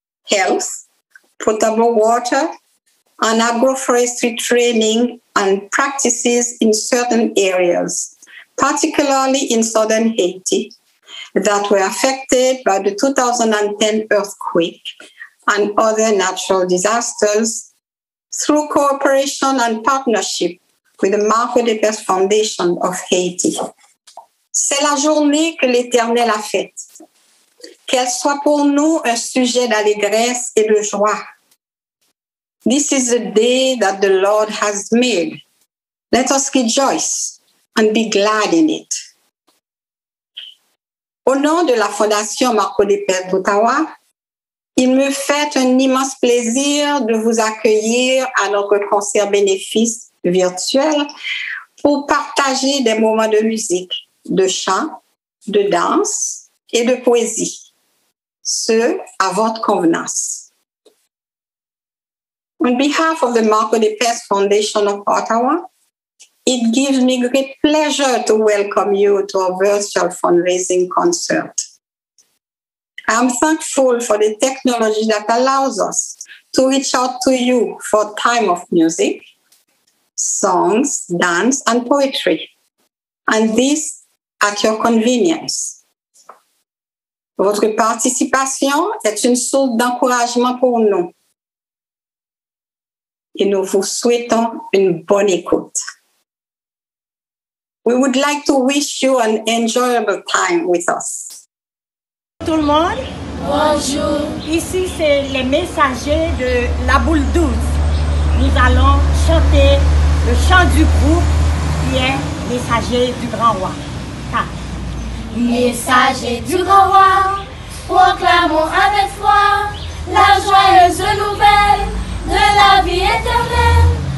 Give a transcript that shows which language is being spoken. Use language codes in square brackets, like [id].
[en] health, potable water, and agroforestry training and practices in certain areas, particularly in southern Haiti, that were affected by the 2010 earthquake and other natural disasters through cooperation and partnership with the Marco Depestre Foundation of Haiti. [fr] C'est la journée que l'Éternel a faite. Qu'elle soit pour nous un sujet d'allégresse et de joie. [en] This is the day that the Lord has made. Let us rejoice and be glad in it. [fr] Au nom de la Fondation Marco Depestre d'Ottawa, il me fait un immense plaisir de vous accueillir à notre concert bénéfice virtuel pour partager des moments de musique, de chant, de danse et de poésie. Ce, à votre convenance. [en] On behalf of the Marco Depestre Foundation of Ottawa, it gives me great pleasure to welcome you to our virtual fundraising concert. I am thankful for the technology that allows us to reach out to you for time of music, songs, dance, and poetry, and this at your convenience. [fr] Votre participation est une source d'encouragement pour nous. Et nous vous souhaitons une bonne écoute. [en] We would like to wish you an enjoyable time with us. [fr] Tout le monde. Bonjour. Ici, c'est les messagers de la boule douce. Nous allons chanter le chant du groupe qui est messager du grand roi. Messager du grand roi, proclamons avec foi la joyeuse nouvelle de la vie éternelle.